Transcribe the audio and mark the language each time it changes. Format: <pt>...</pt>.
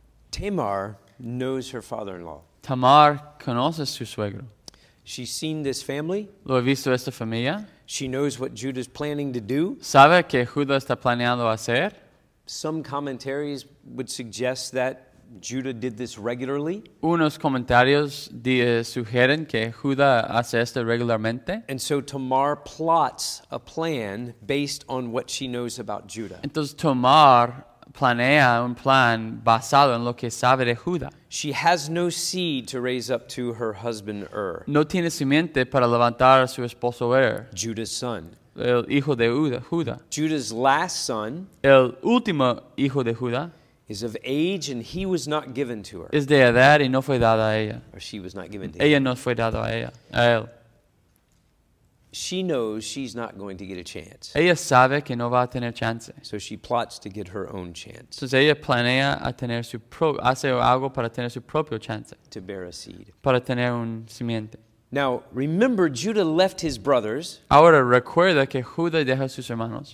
<en>Tamar knows her father-in-law.</en> <es>Tamar conoce a su suegro.</es> <en>She's seen this family.</en> <es>Lo he visto esta familia.</es> <en>She knows what Judah's planning to do.</en> <es>Sabe que Judah está planeando hacer.</es> <en>Some commentaries would suggest that Judah did this regularly.</en> <es>Unos comentarios sugieren que Judah hace esto regularmente.</es> <en>And so Tamar plots a plan based on what she knows about Judah.</en> <es>Entonces Tamar planea un plan basado en lo que sabe de Judah.</es> <en>She has no seed to raise up to her husband Ur.</en> <es>No tiene simiente para levantar a su esposo Ur.</es> <en>Judah's son.</en> <es>El hijo de Judah.</es> <en>Judah's last son.</en> <es>El último hijo de Judah.</es> <en>Is of age and he was not given to her.</en> <es>Es de edad y no fue dada a ella.</es> <en>Or she was not given to</en> <es>ella</es> <en>him.</en> <es>No fue dado a él.</es> <en>She knows she's not going to get a chance.</en> <es>Ella sabe que no va a tener chance.</es> <en>So she plots to get her own chance.</en> <es>Entonces ella planea a tener su hace algo para tener su propio chance.</es> <en>To bear a seed.</en> <es>Para tener un simiente.</es> <en>Now, remember, Judah left his brothers.</en> <es>Ahora recuerda que Judah deja a sus hermanos.</es>